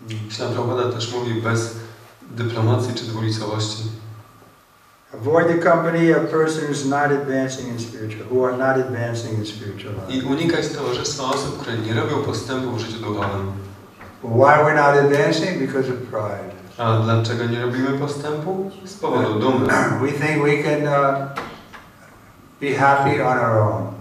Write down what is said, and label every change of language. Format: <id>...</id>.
<pl>Śląska Prabhupada też mówi bez dyplomacji czy dwulicowości.</pl> <en>Avoid the company of persons who are not advancing in spiritual, who are not advancing in spiritual life.</en> <pl>I unikać towarzystwa osób, które nie robią postępu w życiu duchowym.</pl> <en>Why are we not advancing? Because of pride.</en> <pl>A dlaczego nie robimy postępu? Z powodu dumy.</pl> <en>We think we can be happy on our own.</en>